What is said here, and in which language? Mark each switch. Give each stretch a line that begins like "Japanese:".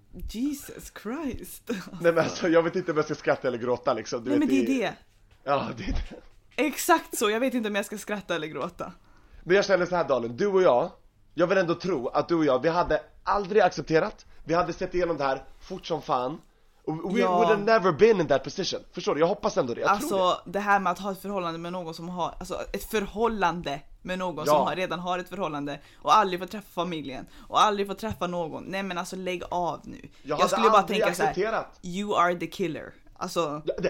English: Jesus Christ.
Swedish: Nej, men alltså, jag vet inte om jag ska skratta eller gråta. Liksom. Du nej, vet, men det är det. Ja, det är det. Exakt så, jag vet inte om jag ska skratta eller gråta. Men jag känner så här, Dalin, du och jag vill ändå tro att du och jag, vi hade aldrig accepterat, vi hade sett igenom det här fort som fan.
English: We would have never been in that position.
Swedish: Förstår du, jag hoppas ändå det, jag alltså, tror det här med att ha ett förhållande med någon som har, alltså ett förhållande med någon som redan har ett förhållande och aldrig får träffa familjen och aldrig får träffa någon. Nej, men alltså lägg av nu. Jag skulle bara tänka accepterat. Så här,
English: you are the killer. Alltså...